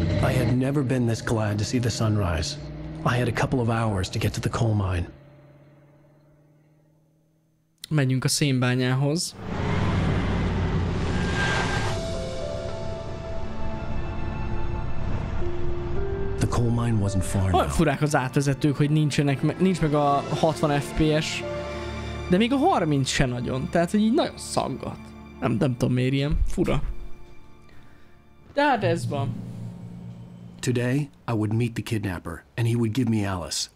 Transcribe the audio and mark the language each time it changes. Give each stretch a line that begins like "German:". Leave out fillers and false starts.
English: I had never been this glad to see the sunrise. I had a couple of hours to get to the coal mine.
Hungarian: Menjünk a szénbányához.
English: The coal mine wasn't far enough.
Hungarian: Olyan furák az átvezetők, hogy nincs meg a 60 FPS. De még a 30 se nagyon. Tehát, hogy így nagyon szaggat. Nem tudom, miért ilyen. Fura. Hát ez van.
English: Today, I would meet the kidnapper, and he would give me Alice.